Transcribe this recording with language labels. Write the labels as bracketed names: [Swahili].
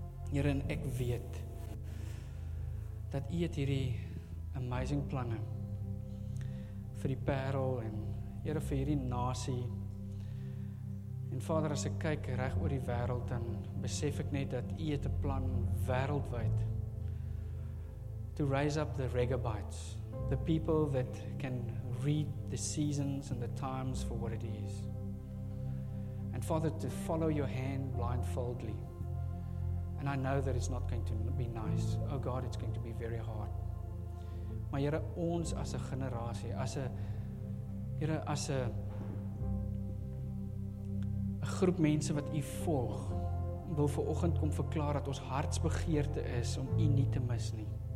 [Afrikaans] Here, en ek weet dat U het hierdie amazing planne vir die Parel en Here vir hierdie nasie. En Vader, as ek kyk reg oor die wêreld, dan besef ek net dat U het 'n plan wêreldwyd. [English] To raise up the Regabites, the people that can read the seasons and the times for what it is. And Father, to follow your hand blindfoldly. And I know that it's not going to be nice. Oh God, it's going to be very hard. [Afrikaans] Maar Here, ons as 'n generasie, as 'n groep mense wat U volg, wil vanoggend kom verklaar dat ons hartsbegeerte is om U nie te mis nie.